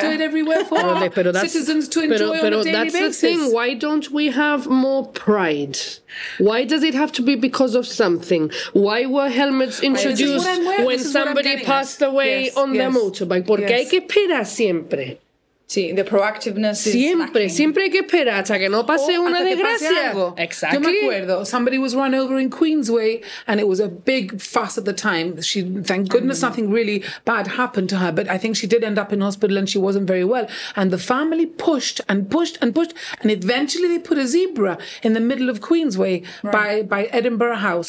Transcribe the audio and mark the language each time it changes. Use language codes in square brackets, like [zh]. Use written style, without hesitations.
[en] They do it everywhere for citizens to enjoy on a daily basis? Why don't we have more pride? Why does it have to be because of something? Why were helmets introduced when somebody passed away on their motorbike? [es] Porque hay que esperar siempre. [en] Sí, the proactiveness is [es] siempre [en] lacking. [es] Siempre hay que esperar hasta que no pase una desgracia. [en] Exactly. [es] Yo me acuerdo, [en] somebody was run over in Queensway and it was a big fuss at the time. She, thank goodness nothing really bad happened to her, but I think she did end up in hospital and she wasn't very well. And the family pushed and pushed and pushed, and eventually they put a zebra in the middle of Queensway by Edinburgh House.